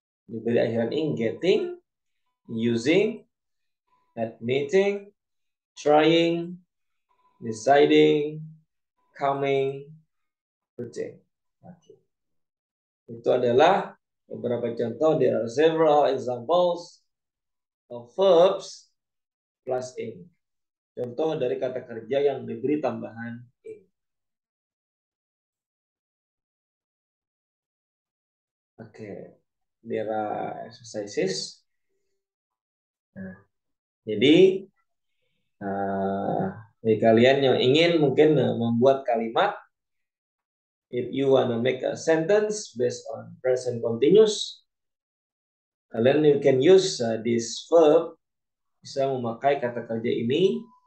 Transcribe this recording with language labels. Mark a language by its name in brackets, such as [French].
[Indonesian] Diberi akhiran ing, getting, using, admitting, trying, deciding, coming, putting. Okay. Itu adalah beberapa contoh. [English] There are several examples of verbs plus ing. [Indonesian] Contoh dari kata kerja yang diberi tambahan ing. [English] Okay. There are exercises. [Indonesian] Nah, jadi bagi kalian yang ingin mungkin membuat kalimat, [English] if you wanna make a sentence based on present continuous, [Indonesian] kalian [English] you can use this verb, [Indonesian] bisa memakai kata kerja ini.